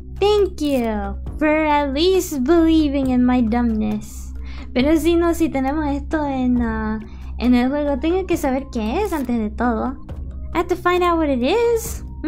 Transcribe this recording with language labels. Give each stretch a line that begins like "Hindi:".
English: Thank you for at least believing in my dumbness.
Spanish: Pero si no, si tenemos esto en el juego, tengo que saber qué es antes de todo.
English: I have to find out what it is.